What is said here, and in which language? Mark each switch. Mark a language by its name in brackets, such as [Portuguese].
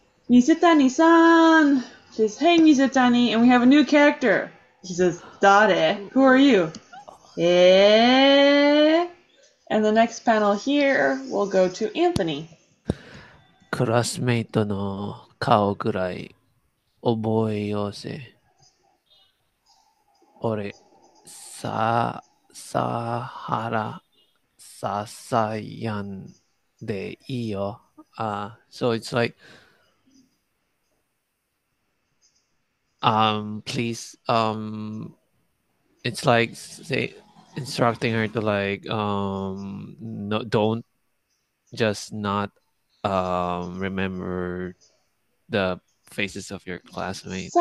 [Japanese] Nisetani-san! [English] She says, hey, Nisetani, and we have a new character. She says, [Japanese] Dare, [English] who are you? And the next panel here will go to Anthony. [Japanese] クラスメイトの顔ぐらい覚えようぜ。俺、ささはら、ささやんでいいよ。 [English] So it's like, please, it's like say, instructing her to like, no, don't just not, remember the faces of your classmates.